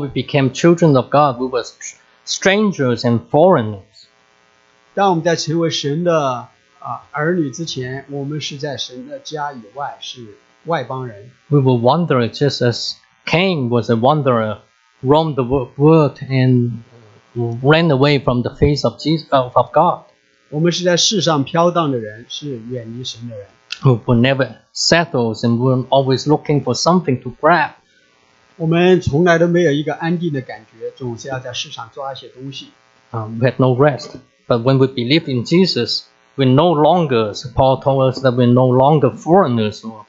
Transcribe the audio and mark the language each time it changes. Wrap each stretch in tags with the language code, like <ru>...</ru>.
<en>we became children of God, we were strangers and foreigners.</en> <zh>当我们在成为神的儿女之前，我们是在神的家以外，是外邦人。</zh> <en>We were wanderers, just as Cain was a wanderer, roamed the world and ran away from the face of Jesus of God.</en> <zh>我们是在世上飘荡的人，是远离神的人。</zh> <en>Who were never settled and were always looking for something to grab.</en> <zh>我们从来都没有一个安定的感觉，总是要在世上抓一些东西。</zh> <en>We had no rest. But when we believe in Jesus, we no longer, Paul told us that we're no longer foreigners.</en>